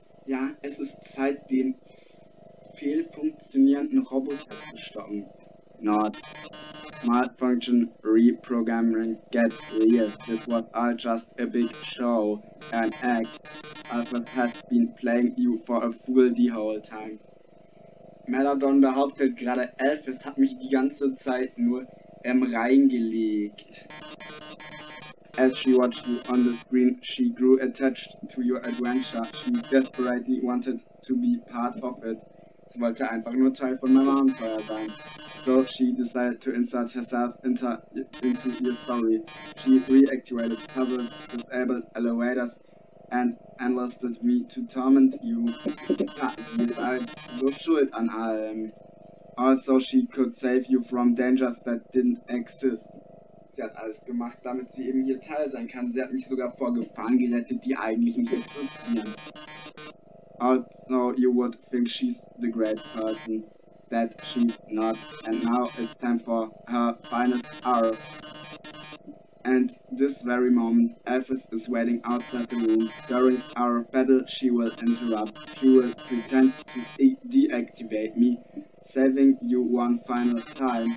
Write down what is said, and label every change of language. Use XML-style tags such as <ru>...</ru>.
<de>Ja, es ist Zeit, den fehlfunktionierenden Roboter zu stoppen. Not</de> <en>Malfunction reprogramming get real. This was all just a big show, an act. Alphas had been playing you for a fool the whole time.</en> <de>Meladon behauptet gerade, Alphas hat mich die ganze Zeit nur im reingelegt.</de> <en>As she watched you on the screen, she grew attached to your adventure. She desperately wanted to be part of it.</en> <de>Sie wollte einfach nur Teil von meinem Abenteuer sein.</de> <en>So she decided to insert herself into your story. She reactivated puzzles, disabled elevators, and enlisted me to torment you.</en> <de>Sie war so schuld an allem.</de> <en>Also she could save you from dangers that didn't exist.</en> <de>Sie hat alles gemacht, damit sie eben hier Teil sein kann. Sie hat mich sogar vor Gefahren gerettet, die eigentlich nicht existieren.</de> <en>Also you would think she's the great person, that she's not, and now it's time for her finest hour. And this very moment, Alphas is waiting outside the room. During our battle, she will interrupt. She will pretend to deactivate me, saving you one final time.</en>